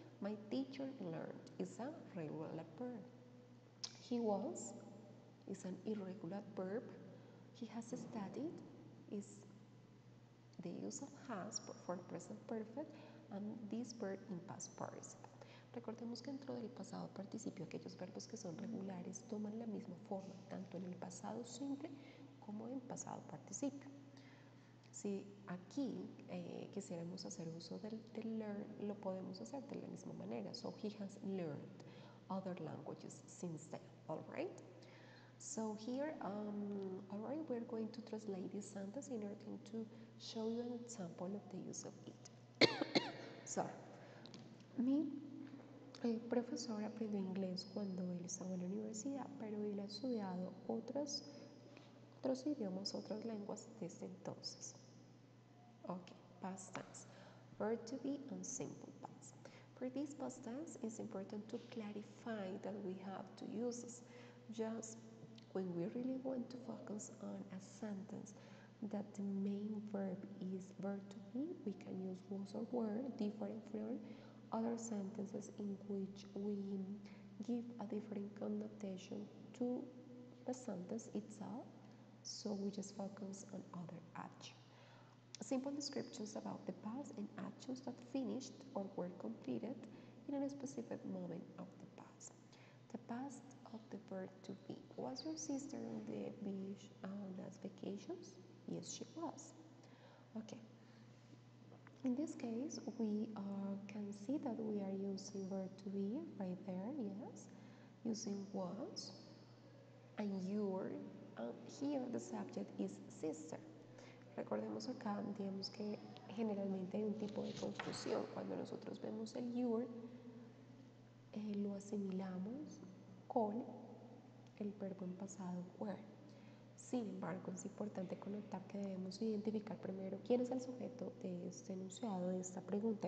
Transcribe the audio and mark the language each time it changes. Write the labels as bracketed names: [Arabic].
[English] My teacher learned is a regular verb. He was is an irregular verb. He has studied is the use of has for present perfect, and this verb in past participle. [Spanish] Recordemos que dentro del pasado participio, aquellos verbos que son regulares toman la misma forma, tanto en el pasado simple como en pasado participio. Si aquí quisiéramos hacer uso del learn, lo podemos hacer de la misma manera. [English] So, he has learned other languages since then, all right? So, here, all right, we're going to translate this sentence in order to show you an example of the use of it. [Spanish] El profesor aprendió inglés cuando él estaba en la universidad, pero él ha estudiado otros idiomas, otras lenguas desde entonces. [English] Okay, past tense. Verb to be and simple past. For this past tense, it's important to clarify that we have two uses. Just when we really want to focus on a sentence that the main verb is verb to be, we can use was or were, different from other sentences in which we give a different connotation to the sentence itself, so we just focus on other actions. Simple descriptions about the past and actions that finished or were completed in a specific moment of the past. The past of the verb to be. Was your sister on the beach on last vacations? Yes, she was. Okay. In this case, we can see that we are using verb to be right there, yes, using was and your, and here the subject is sister. [Spanish] Recordemos acá, digamos que generalmente hay un tipo de confusión. Cuando nosotros vemos el your, lo asimilamos con el verbo en pasado were. Sin embargo, es importante conectar que debemos identificar primero quién es el sujeto de este enunciado, de esta pregunta.